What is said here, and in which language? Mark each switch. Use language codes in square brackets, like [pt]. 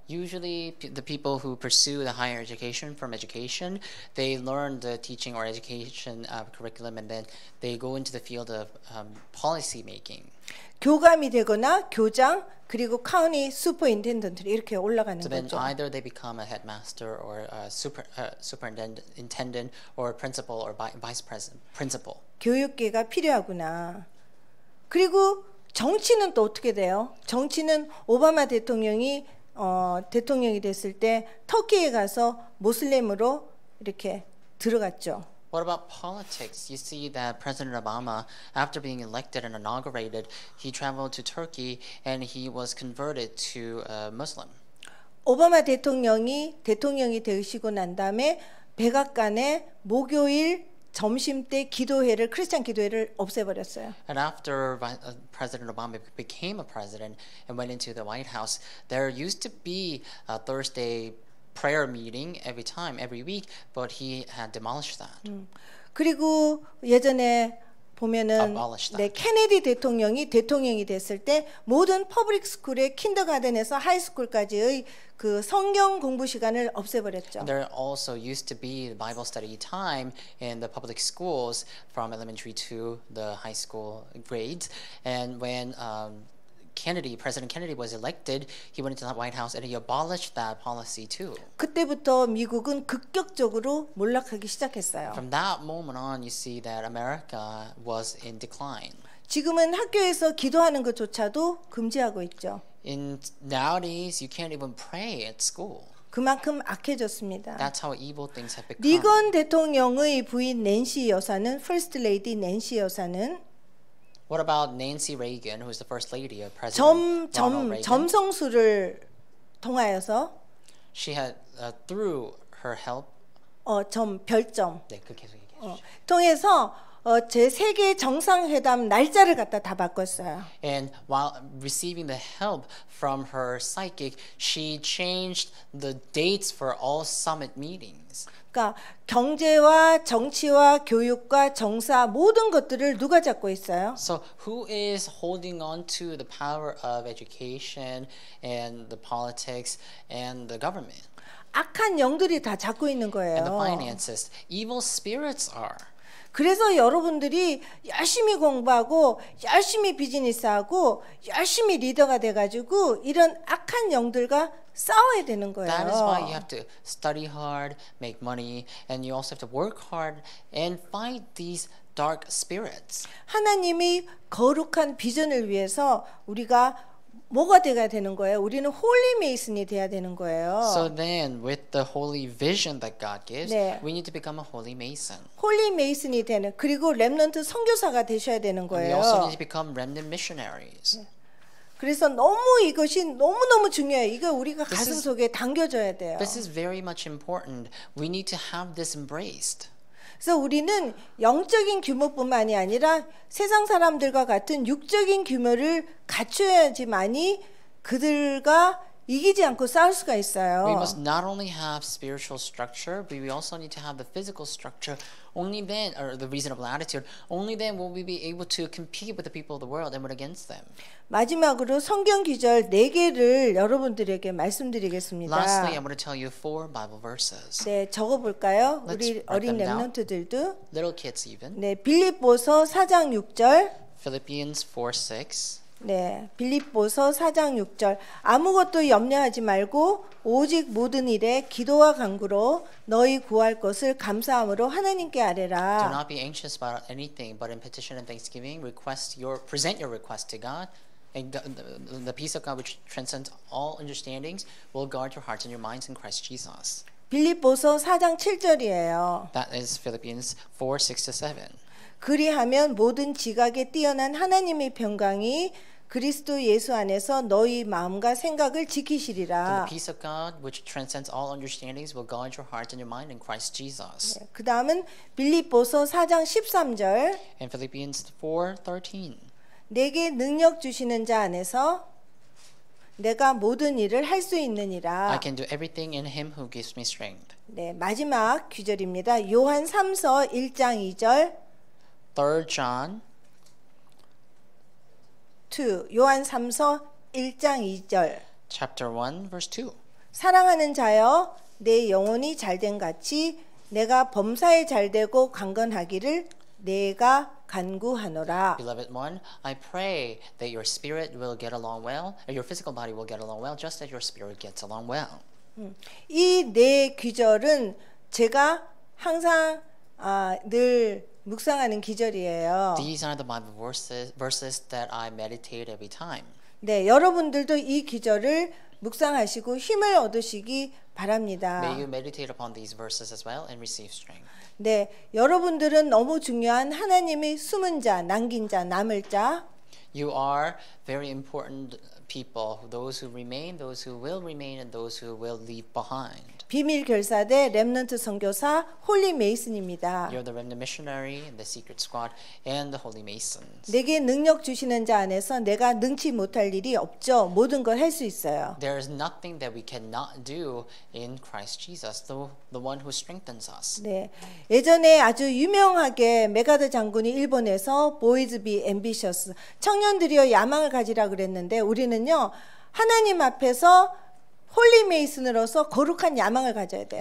[en] Usually the people who pursue the higher education from education, they learn the teaching or education curriculum and then they go into the field of policy making. [ko] 교감이 되거나 교장 그리고 카운티 슈퍼인텐던트 이렇게 올라가는 거죠. [en] So then either they become a headmaster or a superintendent or principal or vice principal. [ko] 교육계가 필요하구나. 그리고 정치는 또 어떻게 돼요? 정치는 오바마 대통령이 대통령이 됐을 때 터키에 가서 모슬림으로 이렇게 들어갔죠. [en] What about politics? You see that President Obama, after being elected and inaugurated, he traveled to Turkey and he was converted to Muslim. [ko] 오바마 대통령이 되시고 난 다음에 백악관에 목요일 점심 때 기도회를 크리스천 기도회를 없애버렸어요. [en] And after President Obama became a president and went into the White House, there used to be a Thursday prayer meeting every time, every week, but he had demolished that. [ko] 그리고 예전에 보면은 네, 케네디 대통령이 대통령이 됐을 때 모든 퍼블릭 스쿨의 킨더가든에서 하이스쿨까지의 그 성경 공부 시간을 없애버렸죠. [en] And there also used to be Bible study time in the public schools from elementary to the high school grades. And when Kennedy, President Kennedy was elected, he went into the White House and he abolished that policy too. [ko] 그때부터 미국은 급격적으로 몰락하기 시작했어요. [en] From that moment on, you see that America was in decline. [ko] 지금은 학교에서 기도하는 것조차도 금지하고 있죠. [en] In nowadays, you can't even pray at school. [ko] 그만큼 악해졌습니다. [en] That's how evil things have become. [ko] 리건 대통령의 부인 낸시 여사는 First Lady 낸시 여사는 [en] What about Nancy Reagan, who is the first lady of President [ko] 점 점성술을 통하여서 [en] she had through her help [ko] 점 별점 네, 그 계속 얘기해 주시죠. 통해서 제 세계 정상회담 날짜를 갖다 다 바꿨어요. [en] And while receiving the help from her psychic, she changed the dates for all summit meetings. [ko] 그러니까 경제와 정치와 교육과 정사 모든 것들을 누가 잡고 있어요? [en] So who is holding on to the power of education and the politics and the government? [ko] 악한 영들이 다 잡고 있는 거예요. [en] And the finances, evil spirits are. [ko] 그래서 여러분들이 열심히 공부하고 열심히 비즈니스하고 열심히 리더가 돼가지고 이런 악한 영들과 싸워야 되는 거예요. [en] That is why you have to study hard, make money, and you also have to work hard and fight these dark spirits. [ko] 하나님이 거룩한 비전을 위해서 우리가 뭐가 돼야 되는 거예요? 우리는 홀리 메이슨이 돼야 되는 거예요. [en] So then with the holy vision that God gives, 네. we need to become a holy mason. [ko] 홀리 메이슨이 되는 그리고 렘넌트 선교사가 되셔야 되는 거예요. [en] And we also need to become remnant missionaries. [ko] 그래서 너무 이것이 너무너무 중요해요. 이거 우리가 가슴속에 당겨져야 돼요. [en] This is very much important. We need to have this embraced. [ko] 그래서 우리는 영적인 규모뿐만이 아니라 세상 사람들과 같은 육적인 규모를 갖춰야지만이 그들과 이기지 않고 싸울 수가 있어요. [en] We must not only have spiritual structure, but we also need to have the physical structure. Only then, or the reasonable attitude, only then will we be able to compete with the people of the world and win against them. [ko] 마지막으로 성경 구절 네 개를 여러분들에게 말씀드리겠습니다. [en] Lastly, I'm going to tell you four Bible verses. [ko] 네, 적어 볼까요? 우리 어린 렘넌트들도. [en] Little kids even. [ko] 네, 빌립보서 4장 6절. [en] Philippians 4:6. [ko] 네, 빌립보서 4장 6절 아무것도 염려하지 말고 오직 모든 일에 기도와 간구로 너희 구할 것을 감사함으로 하나님께 아뢰라. [en] Do not be anxious about anything, but in petition and thanksgiving, present your request to God, and the peace of God which transcends all understandings will guard your hearts and your minds in Christ Jesus. [ko] 빌립보서 4장 7절이에요. [en] That is Philippians 4:6-7. [ko] 그리하면 모든 지각에 뛰어난 하나님의 평강이 그리스도 예수 안에서 너희 마음과 생각을 지키시리라. [en] The peace of God which transcends all understandings will guard your heart and your mind in Christ Jesus. [ko] 네, 그 다음은 빌립보서 4장 13절. [en] In Philippians 4:13. [ko] 내게 능력 주시는 자 안에서 내가 모든 일을 할 수 있느니라. [en] I can do everything in him who gives me strength. [ko] 네, 마지막 구절입니다. 요한 3서 1장 2절. [en] 3 John 2, [ko] 요한 3서 1장 2절 [en] Chapter 1, verse 2 [ko] 사랑하는 자여, 내 영혼이 잘된 같이 내가 범사에 잘되고 강건하기를 내가 간구하노라 [en] Beloved one, I pray that your spirit will get along well, or your physical body will get along well, just as your spirit gets along well. [ko] 이 네 귀절은 제가 항상 늘 묵상하는 기절이에요. [en] These are the Bible verses that I meditate every time. [ko] 네, 여러분들도 이 기절을 묵상하시고 힘을 얻으시기 바랍니다. [en] May you meditate upon these verses as well and receive strength. [ko] 네, 여러분들은 너무 중요한 하나님의 숨은 자, 남긴 자, 남을 자. [en] You are very important people, those who remain, those who will remain, and those who will leave behind. [ko] 비밀 결사대 렘넌트 선교사 홀리 메이슨입니다. [en] You're the remnant missionary, the secret squad, and the holy masons. [ko] 내게 능력 주시는 자 안에서 내가 능치 못할 일이 없죠. 모든 걸 할 수 있어요. [en] There is nothing that we cannot do in Christ Jesus, the one who strengthens us. [ko] 네, 예전에 아주 유명하게 맥아더 장군이 일본에서 [en] Boys Be Ambitious, [ko] 청년들이여 야망을 가지라 그랬는데 우리는요 하나님 앞에서 홀리 메이슨으로서 거룩한 야망을 가져야 돼요.